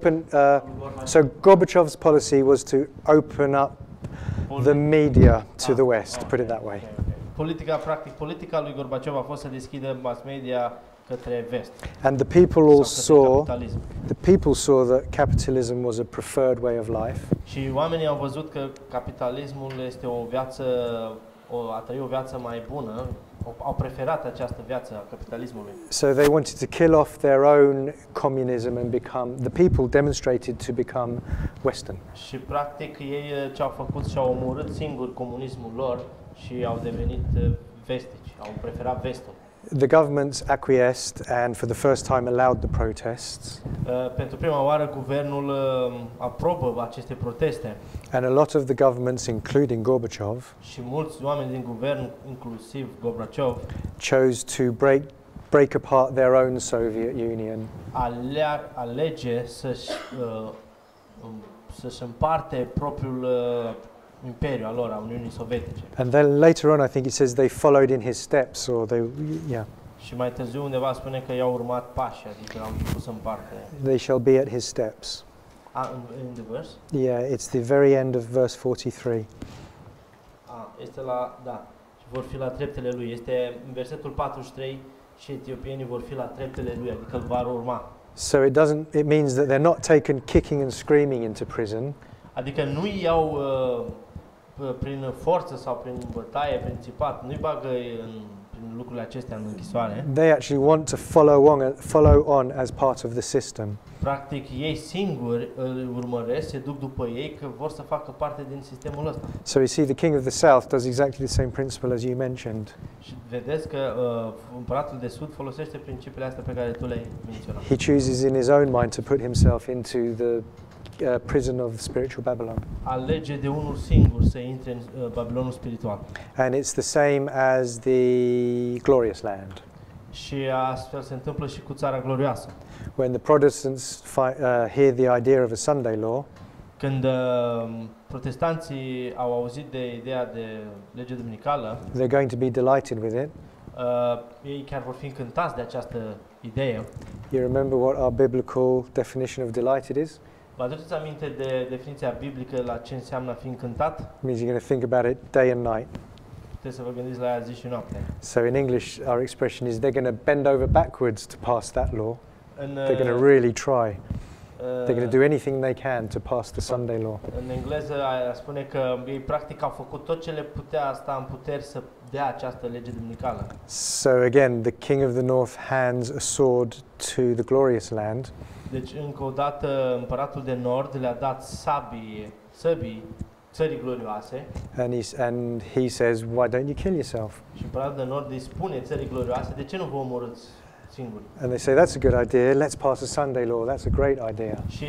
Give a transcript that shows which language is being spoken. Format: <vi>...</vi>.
<en>So Gorbachev's policy was to open up the media to the West, to put it that way.</en> <ro>Politica, practic, politica lui Gorbachev a fost să deschidă mass media către vest.</ro> <en>And the people all saw, the people saw that capitalism was a preferred way of life.</en> <ro>Și oamenii au văzut că capitalismul este o viață, a trăi o viață mai bună. Au preferat această viață a capitalismului.</ro> <en>So they wanted to kill off their own communism and become the people demonstrated to become Western.</en> <ro>Și practic ei ce au făcut și au omorât singur comunismul lor și au devenit vestici, au preferat vestul.</ro> <en>The governments acquiesced and for the first time allowed the protests.</en> <ro>Pentru prima oară guvernul aprobă aceste proteste.</ro> <en>And a lot of the governments, including Gorbachev,</en> <ro>și mulți oameni din guvern, inclusiv Gorbachev,</ro> <en>chose to break apart their own Soviet Union.</en> <ro>Alege să-și împarte propriul imperiu al lor, a Uniunii Sovietice.</ro> <en>And then later on, I think it says they followed in his steps, or they, yeah.</en> <ro>Și mai târziu undeva spune că i-au urmat pașii, adică l-au pus în parte.</ro> <en>They shall be at his steps. In the verse? Yeah, it's the very end of verse 43.</en> <ro>Este la, da, și vor fi la treptele lui. Este în versetul 43 și etiopienii vor fi la treptele lui, adică îl vor urma.</ro> <en>So it doesn't, it means that they're not taken kicking and screaming into prison.</en> <ro>Adică nu îi iau prin forță sau prin bătaie, prin țipat, nu îi bagă prin lucrurile acestea în închisoare.</ro> <en>They actually want to follow on as part of the system.</en> <ro>Practic ei singuri îl urmăresc, se duc după ei că vor să facă parte din sistemul ăsta.</ro> <en>So you see the king of the south does exactly the same principle as you mentioned.</en> <ro>Și vedeți că împăratul de sud folosește principiile astea pe care tu le-ai menționat.</ro> <en>He chooses in his own mind to put himself into the prison of spiritual Babylon.</en> <ro>Alege de unul singur să intre în Babilonul spiritual.</ro> <en>And it's the same as the glorious land.</en> <ro>Și astfel se întâmplă și cu țara glorioasă.</ro> <en>When the Protestants hear the idea of a Sunday law,</en> <ro>când protestanții au auzit de ideea de lege duminicală,</ro> <en>they're going to be delighted with it.</en> <ro>Ei chiar vor fi încântați de această idee.</ro> <en>You remember what our biblical definition of delighted is?</en> <ro>Vă aduceți aminte de definiția biblică la ce înseamnă a fi încântat?</ro> <en>Means you're going to think about it day and night.</en> <ro>Trebuie să vă gândiți la ea zi și noapte.</ro> <en>So in English, our expression is they're going to bend over backwards to pass that law. They're going to really try. They're going to do anything they can to pass the Sunday law.</en> <ro>În engleză spune că ei practic au făcut tot ce le putea sta în putere să dea această lege duminicală.</ro> <en>So again, the king of the north hands a sword to the glorious land.</en> <ro>Deci încă o dată împăratul de nord le-a dat săbii țării glorioase.</ro> <en>And he says, why don't you kill yourself?</en> <ro>Și împăratul de nord îi spune țării glorioase, de ce nu vă omorâți?</ro> <en>And they say, that's a good idea, let's pass a Sunday law, that's a great idea.</en>